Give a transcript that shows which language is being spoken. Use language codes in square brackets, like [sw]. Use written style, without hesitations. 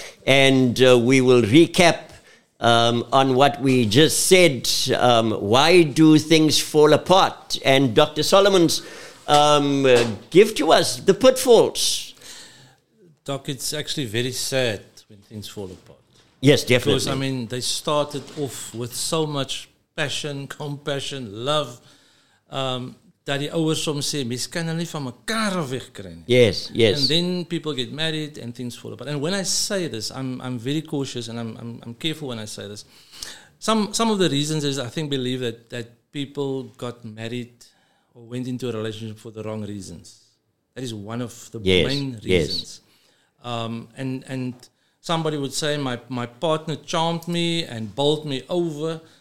[en] And we will recap on what we just said, why do things fall apart? And Dr. Solomons, give to us the pitfalls. Doc, it's actually very sad when things fall apart. Yes, definitely. Because, I mean, they started off with so much passion, compassion, love, [af] dat die ouers soms sê, mens kan hulle nie van mekaar wegkry nie. [en] Yes, yes. And then people get married and things fall apart. And when I say this, I'm very cautious and I'm careful when I say this. Some of the reasons is I think believe that people got married or went into a relationship for the wrong reasons. That is one of the main reasons. Yes. And somebody would say my partner charmed me and bowled me over.